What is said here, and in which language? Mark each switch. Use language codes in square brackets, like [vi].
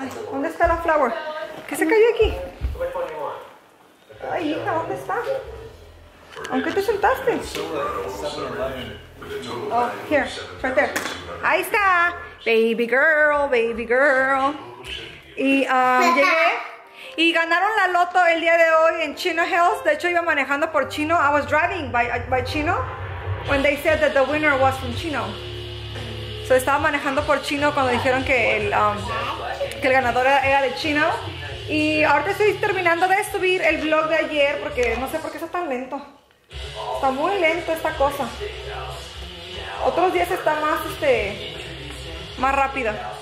[es] ¿Dónde está la flower? ¿Qué se cayó aquí? Ay, hija, ¿dónde está? ¿Con qué te sentaste? [en] Oh, here, right there. [es] Ahí está. [en] Baby girl, baby girl. [es] Y llegué. Y ganaron la loto el día de hoy en Chino Hills. De hecho, iba manejando por Chino. [en] I was driving by Chino when they said that the winner was from Chino. [es] So, estaba manejando por Chino cuando dijeron que el ganador era de Chino. Y ahorita estoy terminando de subir el vlog de ayer porque no sé por qué está tan lento. Está muy lento esta cosa. Otros días está más, más rápido.